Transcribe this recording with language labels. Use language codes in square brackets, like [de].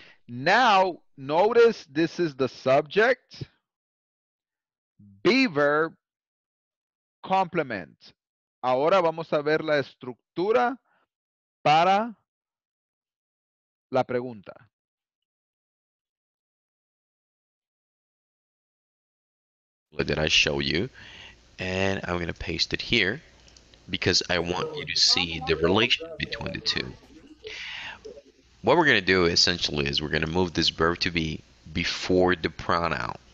[en] Now, notice this is the subject, be verb, complement. [es] Ahora vamos a ver la estructura para la pregunta. [en] That I show you, and I'm going to paste it here because I want you to see the relation between the two. What we're going to do essentially is we're going to move this verb to be before the pronoun.